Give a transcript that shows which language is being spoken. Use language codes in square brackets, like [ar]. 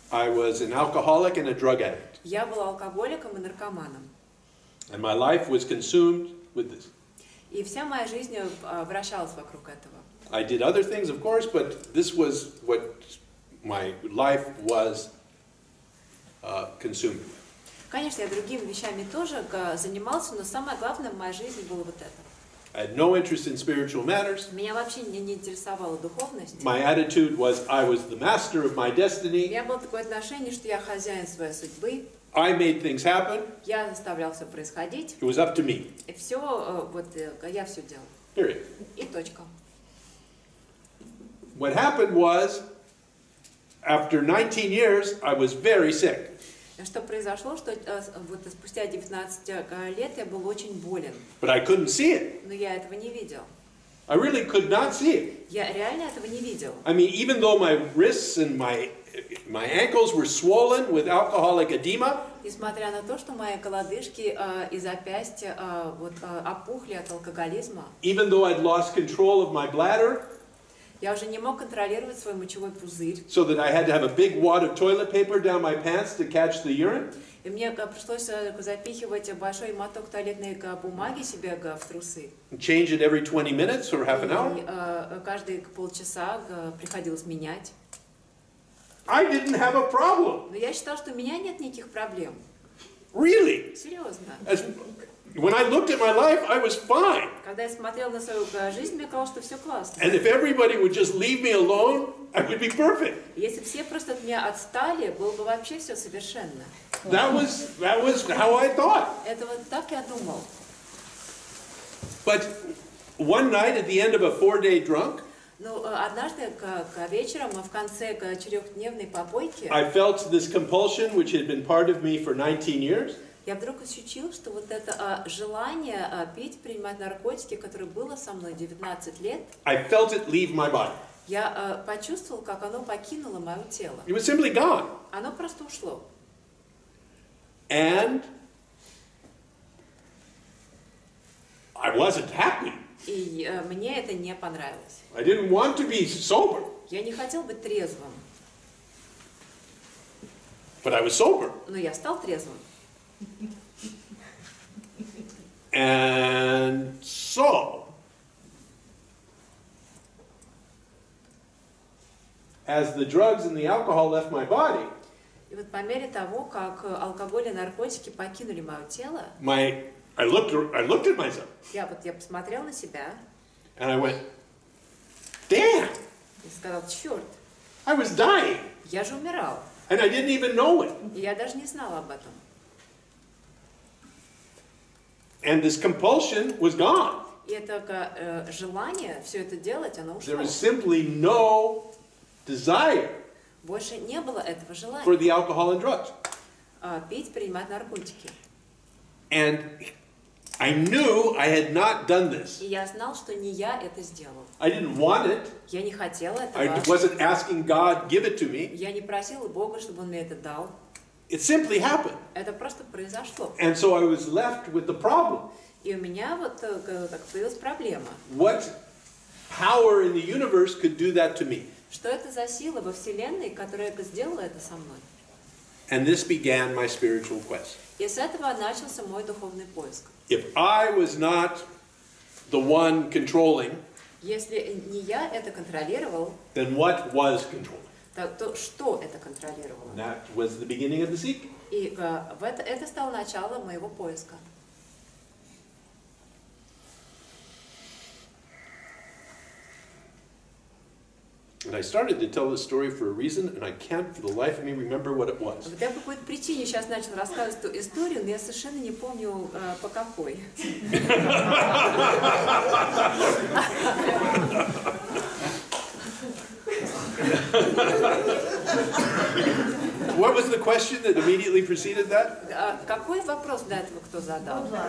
[en] I was an alcoholic and a drug addict. [ru] Я был алкоголиком и наркоманом. [en] And my life was consumed with this. [ru] И вся моя жизнь вращалась вокруг этого. [en] I did other things, of course, but this was what my life was consumed with. [ru] Конечно, я другими вещами тоже занимался, но самое главное в моей жизни было вот это. [en] I had no interest in spiritual matters. [ru] Меня вообще не интересовала духовность. [en] My attitude was I was the master of my destiny. [ru] У меня было такое отношение, что я хозяин своей судьбы. [en] I made things happen. [ru] Я заставлял все происходить. [en] It was up to me. [ru] И все, вот я все делал. [en] Period. [ru] И точка. [en] What happened was, after 19 years, I was very sick. [ru] Что произошло, что вот спустя 19 лет я был очень болен. [en] But I couldn't see it. [ru] Но я этого не видел. [en] I really could not see it. [ru] Я реально этого не видел. [en] I mean, even though my wrists and my ankles were swollen with alcoholic edema. [ru] Несмотря на то, что мои колодыжки и запястья вот опухли от алкоголизма. [en] Even though I'd lost control of my bladder. [ru] Я уже не мог контролировать свой мочевой пузырь. [en] So that I had to have a big wad of toilet paper down my pants to catch the urine. [ru] И мне пришлось запихивать большой моток туалетной бумаги себе в трусы. [en] Change it every 20 minutes or half an hour. [ru] И каждые полчаса приходилось менять. [en] I didn't have a problem. [ru] Но я считал, что у меня нет никаких проблем. [en] Really? [ru] Серьезно. [en] When I looked at my life, I was fine. [ru] Когда я смотрел на свою жизнь, мне казалось, что все классно. [en] And if everybody would just leave me alone, I would be perfect. [ru] Если все просто от меня отстали, было бы вообще все совершенно. [en] That was how I thought. [ru] Это вот так я думал. [en] But one night at the end of a 4-day drunk, [ru] ну, однажды к вечером, в конце четырехдневной попойки, [en] I felt this compulsion which had been part of me for 19 years. [ru] Я вдруг ощутил, что вот это желание пить, принимать наркотики, которое было со мной 19 лет, [en] I felt it leave my body. [ru] Я почувствовал, как оно покинуло мое тело. [en] It was simply gone. [ru] Оно просто ушло. [en] And I wasn't happy. [ru] И мне это не понравилось. [en] I didn't want to be sober. [ru] Я не хотел быть трезвым. [en] But I was sober. [ru] Но я стал трезвым. [en] And so, as the drugs and the alcohol left my body, [ru] и вот по мере того, как алкоголь и наркотики покинули мое тело, [en] I looked at myself. [ru] Я вот я посмотрел на себя. [en] And I went, damn. [ru] Я сказал, черт. [en] I was dying. [ru] Я же умирал. [en] And I didn't even know it. [ru] Я даже не знал об этом. [en] And this compulsion was gone. [ru] И это желание все это делать, оно ушло. [en] There was simply no desire. [ru] Больше не было этого желания. [en] For the alcohol and drugs. [ru] Пить, принимать наркотики. [en] And I knew I had not done this. [ru] И я знал, что не я это сделал. [en] I didn't want it. [ru] Я не хотел этого. [en] I wasn't asking God give it to me. [ru] Я не просил Бога, чтобы он мне это дал. [en] It simply happened. [ru] Это просто произошло. [en] And so I was left with the problem. [ru] И у меня вот так появилась проблема. [en] What power in the universe could do that to me? [ru] Что это за сила во вселенной, которая сделала это со мной? [en] And this began my spiritual quest. [ru] И с этого начался мой духовный поиск. [en] If I was not the one controlling, [ru] если не я это контролировал, [en] then what was controlling? [ru] Так то что это контролировало? [en] And that was the beginning of the seek. [ru] И это стало началом моего поиска. [en] And I started to tell this story for a reason, and I can't for the life of me remember what it was. [ru] Вот я по какой-то причине сейчас начал рассказывать эту историю, но я совершенно не помню по какой. [en] What was the question that immediately preceded that? [ru] Какой вопрос до этого кто задал?